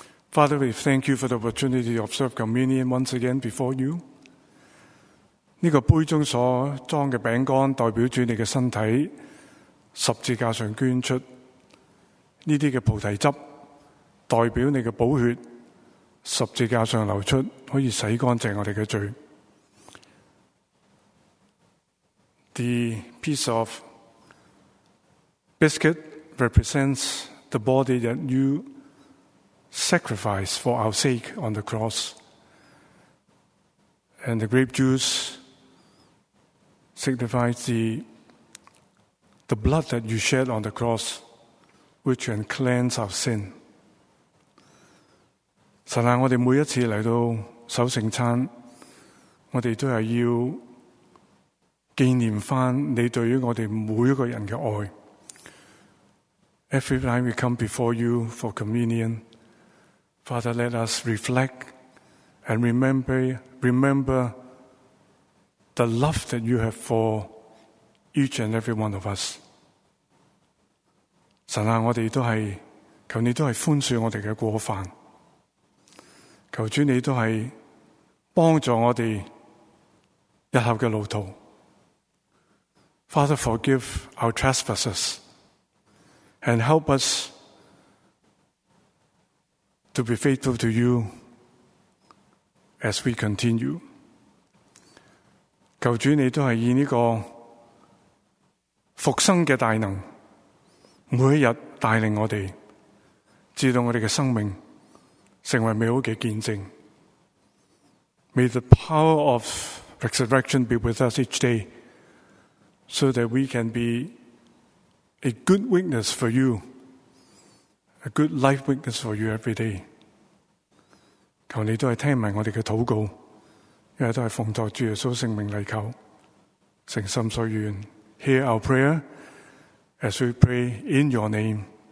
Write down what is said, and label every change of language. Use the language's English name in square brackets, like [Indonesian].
[English] Father, we thank you for the opportunity to observe communion once again before you. [Chinese] 这个杯中所装的饼干代表着你的身体十字架上捐出，这些的菩提汁代表你的宝血十字架上流出，可以洗干净我们的罪。 [English] The piece of biscuit represents the body that you sacrifice for our sake on the cross, and the grape juiceSignifies the blood that you shed on the cross, which can cleanse our sin. [Chinese] 神啊，我们每一次来到守圣餐，我们都是要纪念翻你对于我们每一个人的爱。 [English] Every time we come before you for communion, Father, let us reflect and remember the love that you have for each and every one of us. [Chinese] 神啊，我们都是求你都是宽恕我们的过犯，求主你都是帮助我们日后的路途。 [English] Father, forgive our trespasses and help us to be faithful to you as we continue. [Chinese] 求主你都是以这个复生的大能每日带领我们，直到我们的生命成为美好的见证。 [English] May the power of resurrection be with us each day so that we can be a good witness for you, a good life witness for you every day. [Chinese] 求你都是听完我们的祷告，因为都是奉托主耶稣圣名来求，诚心所愿。 [English] Hear our prayer as we pray in your name.